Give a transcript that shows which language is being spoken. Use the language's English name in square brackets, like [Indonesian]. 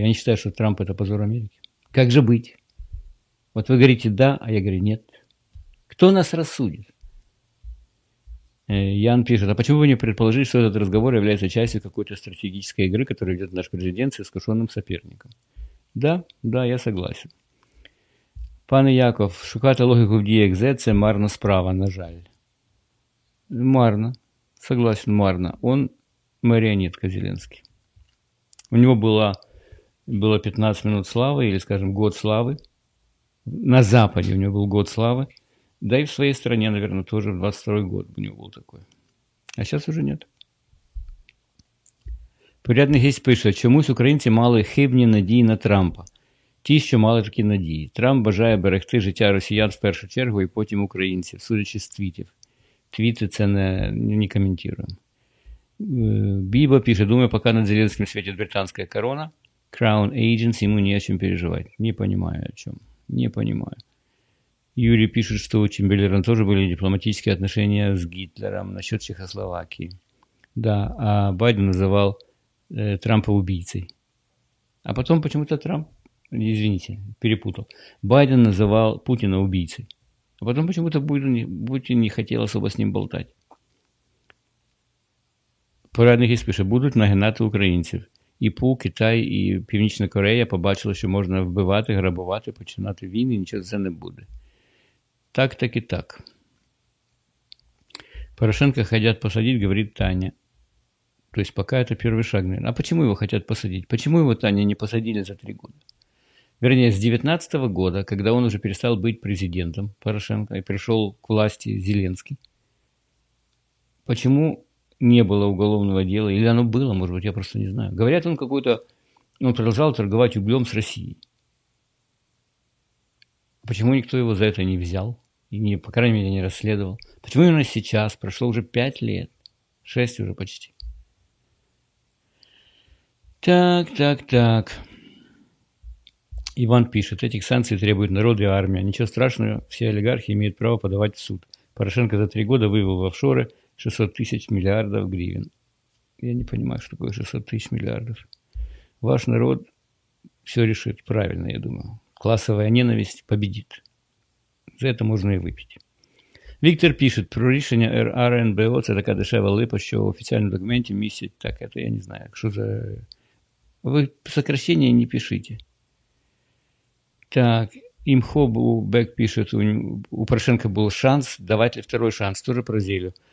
[Russian] Я не считаю, что Трамп – это позор Америки. Как же быть? Вот вы говорите «да», а я говорю «нет». Кто нас рассудит? Ян пишет, а почему вы не предположили, что этот разговор является частью какой-то стратегической игры, которую ведет наш президент с искушенным соперником? Да, я согласен. [Ukrainian] Пане Яков, шукати логіку в діях Зе – це марна справа, на жаль. Марно, [Russian] согласен, [Ukrainian] марно. [Russian] Он марионетка Зеленский. У него было 15 минут славы, или, скажем, год славы. На Западе у него был год славы. Да и в своей стране, наверное, тоже в 22-й год у него был такой. А сейчас уже нет. [Ukrainian] Порядный гість пише, чомусь українці мали хибні надії на Трампа. Ті, що мали такі надії. Трамп бажає берегти життя росіян в першу чергу і потім українців, судячи з твітів. Твіти це не коментируємо. Біба пише, думаю, поки над Зеленським світить британська корона, Crown Agency, йому не о чому переживати. Не розумію, о чому. Не розумію. [Russian] Юрий пишет, что у Чемберлена тоже были дипломатические отношения с Гитлером насчет Чехословакии. Да, а Байден называл Трампа убийцей. А потом почему-то Трамп, извините, перепутал. Байден называл Путина убийцей. А потом почему-то Путин не хотел особо с ним болтать. [Ukrainian] Порядник гість пишет, будут нагинати українців. ІПУ, Китай і Північна Корея побачили, що можна вбивати, грабувати, починати війни, нічого це не буде. [Russian] Так, так и так. Порошенко хотят посадить, говорит Таня. То есть пока это первый шаг, наверное. А почему его хотят посадить? Почему его, Таня, не посадили за 3 года? Вернее, с 19 года, когда он уже перестал быть президентом Порошенко и пришел к власти Зеленский, почему не было уголовного дела? Или оно было, может быть, я просто не знаю. Говорят, он какой-то... Он продолжал торговать углем с Россией. Почему никто его за это не взял и, не, по крайней мере, не расследовал? Почему именно сейчас? Прошло уже 5 лет. 6 уже почти. Так. Иван пишет. Этих санкций требуют народ и армия. Ничего страшного, все олигархи имеют право подавать в суд. Порошенко за 3 года вывел в офшоры 600 тысяч миллиардов гривен. Я не понимаю, что такое 600 тысяч миллиардов. Ваш народ все решит правильно, я думаю. Классовая ненависть победит. За это можно и выпить. [Ukrainian] Віктор пише про рішення РНБО. Це така дешева липа, що в офіційному документі містять таке. Я не знаю, якщо за... Ви сокращення не пишіть. Так, Імхобу Бек пише, у Порошенка був шанс, [Russian] давайте второй шанс, тоже про зілю.